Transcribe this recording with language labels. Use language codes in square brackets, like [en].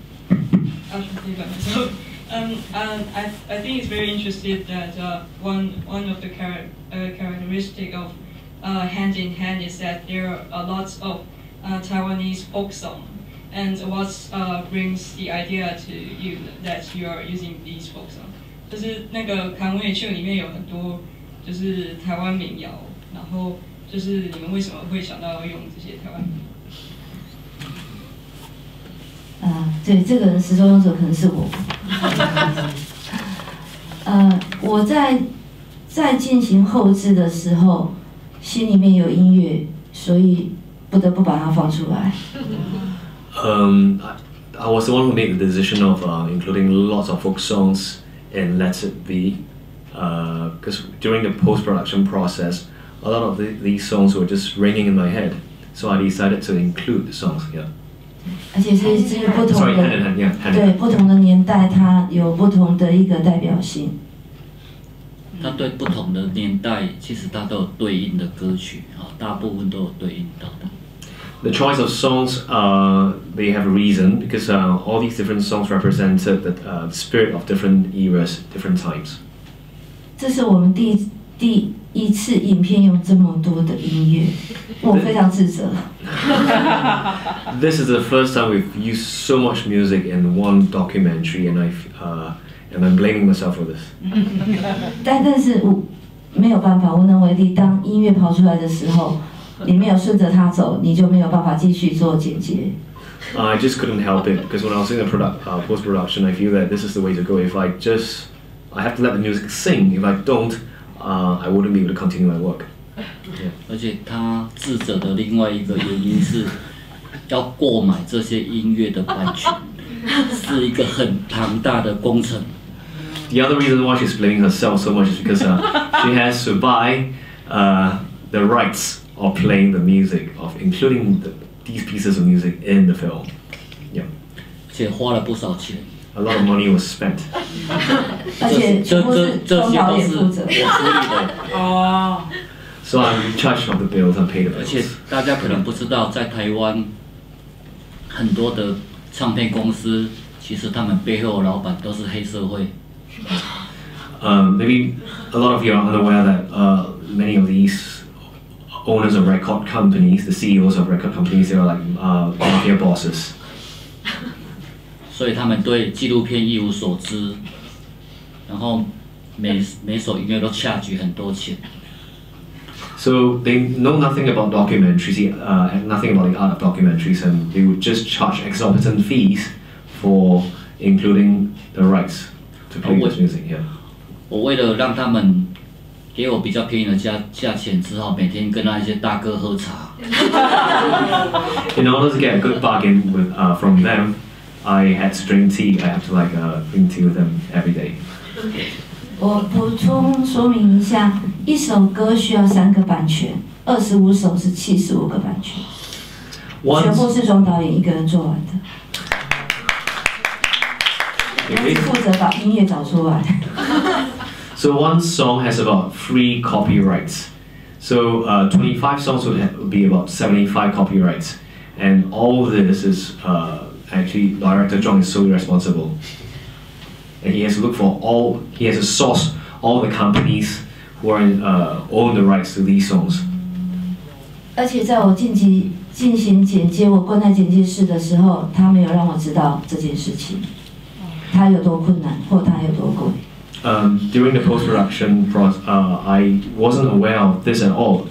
[en] Okay, I think it's very interesting that one of the characteristic of Hand in Hand is that there are lots of Taiwanese folk song, and what brings the idea to you that you are using these folk song? [zh] 就是那个康威秀里面有很多就是台湾民谣，然后就是你们为什么会想到用这些台湾民谣？对，这个人始作俑者可能是我。我在进行后制的时候，心里面有音乐，所以不得不把它放出来。 [en] I was the one who made the decision of including lots of folk songs in Let It Be, because during the post-production process, a lot of these songs were just ringing in my head, so I decided to include the songs here. [zh] 而且是至于不同的 [en] Sorry, [zh] 对不同的年代，它有不同的一个代表性。它对不同的年代，其实它都有对应的歌曲啊，大部分都有对应到的。 [en] The choice of songs, they have a reason because all these different songs represented the spirit of different eras, different times. [zh] 这是我们第一次影片用这么多的音乐，我非常自责。 [en] This is the first time we've used so much music in one documentary, and I'm blaming myself for this. [zh] 但是我没有办法无能为力。当音乐跑出来的时候，你没有顺着它走，你就没有办法继续做剪接。 [en] I just couldn't help it because when I was in the post-production, I feel that this is the way to go. I have to let the music sing. If I don't, I wouldn't be able to continue my work. [zh] Yeah. 而且他自责的另外一个原因是，要购买这些音乐的版权是一个很庞大的工程。 [en] The other reason why she's blaming herself so much is because she has to buy the rights of playing the music, of including these pieces of music in the film. Yeah. [zh] 而且花了不少钱。 [en] A lot of money was spent. [zh] 而且这些都是我处理的。 [en] So I'm charged of the bills and paid the bills. [zh] 而且大家可能不知道，在台湾很多的唱片公司，其实他们背后的老板都是黑社会。 [en] Maybe a lot of you are unaware that many of these owners of record companies, the CEOs of record companies, they are like mafia bosses. [zh] 所以他们对纪录片一无所知，然后每首音乐都掐举很多钱。 [en] So they know nothing about documentaries, nothing about the art of documentaries, and they would just charge exorbitant fees for including the rights to play this music. Yeah. [zh] 我为了让他们给我比较便宜的价钱，只好每天跟那些大哥喝茶。 [en] In order to get a good bargain with from them, I had to drink tea. I have to like drink tea with them every day. [zh] 我补充说明一下，一首歌需要三个版权，25首是75个版权， [en] Once, [zh] 全部是庄导演一个人做完的。我是负责把音乐找出来。 [en] So one song has about 3 copyrights. So 25 songs would be about 75 copyrights. And all of this is actually Director Juang is solely responsible. And he has to look for all, he has to source all the companies who are own the rights to these songs. [zh] 而且在我进行剪接，我关在剪接室的时候，他没有让我知道这件事情，他有多困难或他有多贵。 [en] During the post-production process, I wasn't aware of this at all.